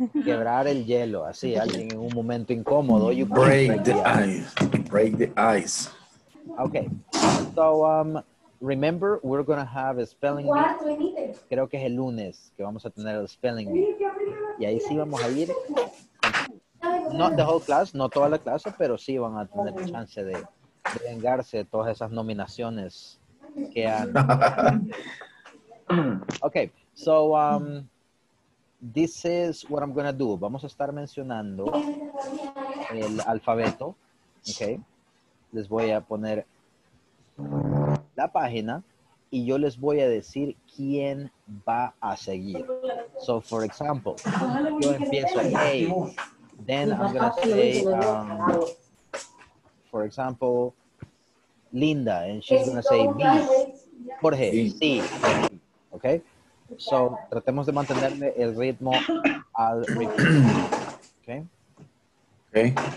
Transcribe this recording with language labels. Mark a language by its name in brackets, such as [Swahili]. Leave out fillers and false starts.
[Spanish] Quebrar el hielo, así, alguien en un momento incómodo. [English] You break the ice. Okay. So, remember, we're going to have a spelling bee. [Spanish] Creo que es el lunes que vamos a tener el spelling bee. Y ahí sí vamos a ir. [English] Not the whole class, [Spanish] no toda la clase, pero sí van a tener chance de vengarse de todas esas nominaciones que han. [English] Okay, so this is what I'm going to do. [Spanish] Vamos a estar mencionando el alfabeto. Okay, les voy a poner la página y yo les voy a decir quién va a seguir. [English] So, for example, [Spanish] yo empiezo A, [English] hey, then I'm going to say, for example, Linda, and she's going to say B. [Spanish] Jorge, sí. Okay? So, tratemos de mantenerle el ritmo al ritmo. [English] Okay? Okay.